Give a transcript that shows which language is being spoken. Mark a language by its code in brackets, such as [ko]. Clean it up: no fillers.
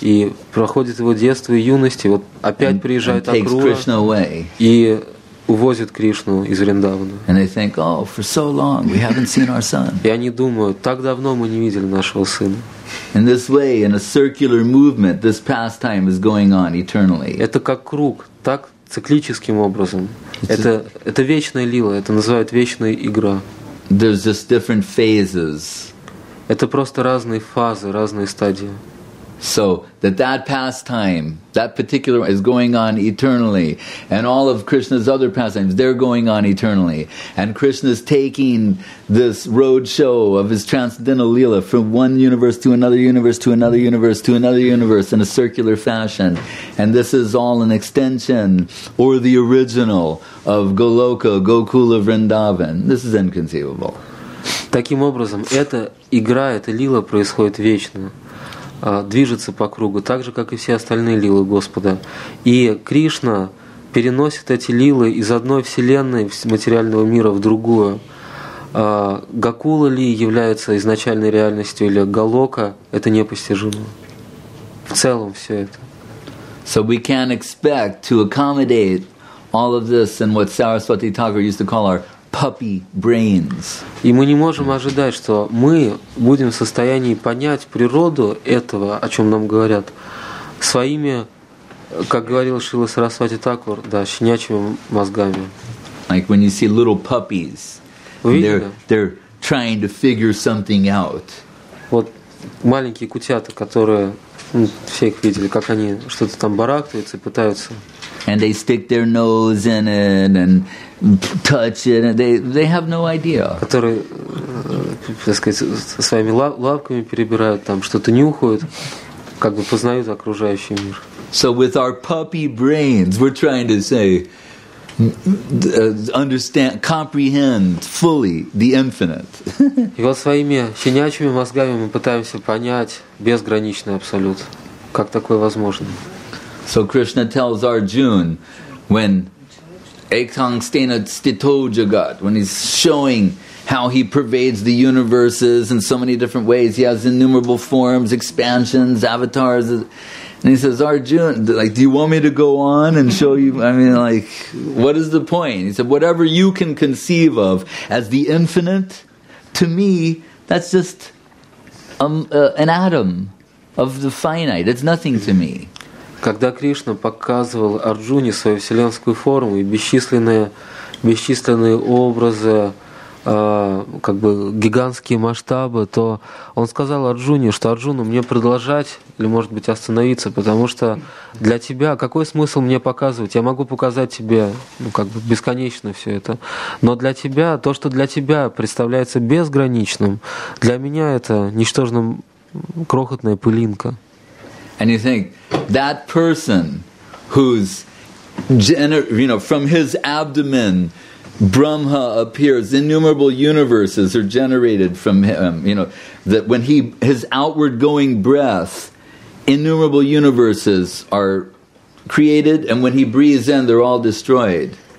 [ru] И проходит его детство и юность, и вот опять приезжает [en] Акрура. And takes Krishna away. [ru] И увозит Кришну из Вриндавана. [en] And they think, oh, for so long we haven't seen our son. [ru] И они думают, так давно мы не видели нашего сына. [en] In this way, in a circular movement, this pastime is going on eternally. [ru] Это как круг, так циклическим образом. Это вечная лила, это называют вечная игра. [en] There's just different phases. [ru] Это просто разные фазы, разные стадии. [en] So that pastime, that particular one, is going on eternally, and all of Krishna's other pastimes, they're going on eternally, and Krishna's taking this roadshow of his transcendental lila from one universe to another universe to another universe to another universe in a circular fashion, and this is all an extension or the original of Goloka, Gokula, Vrindavan. This is inconceivable. [ru] Таким образом, эта игра, эта лила происходит вечно. Движется по кругу, так же, как и все остальные лилы Господа. И Кришна переносит эти лилы из одной вселенной материального мира в другую. Гокула ли является изначальной реальностью, или Голока – это непостижимо. В целом все это. [en] So we can't expect to accommodate all of this in what Saraswati Thakur used to call our puppy brains. [ru] И мы не можем ожидать, что мы будем в состоянии понять природу этого, о чем нам говорят, своими, как говорил Шрила Сарасвати Такур, да, щенячьими мозгами. [en] Like when you see little puppies, they're trying to figure something out. [ru] Вот маленькие кутята, которые, ну, все их видели, как они что-то там барахтаются и пытаются. [en] And they stick their nose in it and touch it. And they have no idea. [ru] Которые, так сказать, своими лапками перебирают там, что-то нюхают, как бы познают окружающий мир. [en] So with our puppy brains, we're trying to say, understand, comprehend fully the infinite. [ru] И вот своими щенячьими мозгами мы пытаемся понять безграничный абсолют. Как такое возможно? [en] So Krishna tells Arjuna, when Ekang Stena Stito Jagat, when he's showing how he pervades the universes in so many different ways, he has innumerable forms, expansions, avatars. And he says, Arjuna, like, do you want me to go on and show you? I mean, like, what is the point? He said, whatever you can conceive of as the infinite, to me, that's just an atom of the finite. It's nothing to me. [ru] Когда Кришна показывал Арджуне свою вселенскую форму и бесчисленные образы, как бы гигантские масштабы, то он сказал Арджуне, что Арджуна, мне продолжать или, может быть, остановиться, потому что для тебя какой смысл мне показывать? Я могу показать тебе, ну, как бы бесконечно все это, но для тебя, то, что для тебя представляется безграничным, для меня это ничтожно крохотная пылинка. [en] And you think that person who's from his abdomen Brahma appears, innumerable universes are generated from him, you know, that when his outward going breath, innumerable universes are created, and when he breathes in, they're all destroyed.